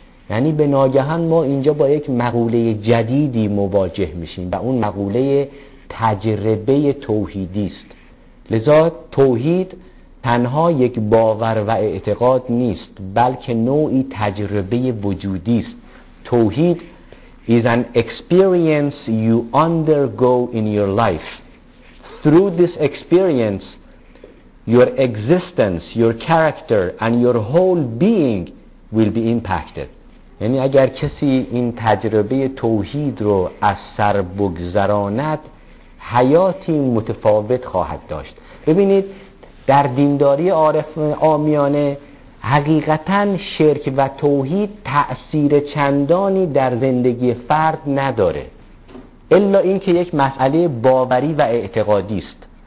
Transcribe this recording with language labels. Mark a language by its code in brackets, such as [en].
[fa] یعنی به ناگهان ما اینجا با یک مقوله جدیدی مواجه میشیم و اون مقوله تجربه توحیدی است. لذا توحید تنها یک باور و اعتقاد نیست، بلکه نوعی تجربه وجودی است. [en] توحید is an experience you undergo in your life. Through this experience, your existence, your character, and your whole being will be impacted. [fa] یعنی اگر کسی این تجربه توحید رو از سر بگذراند، حیاتی متفاوت خواهد داشت. ببینید، در دینداری عارف عامیانه حقیقتاً شرک و توحید تأثیر چندانی در زندگی فرد نداره، الا اینکه یک مسئله باوری و اعتقادی است.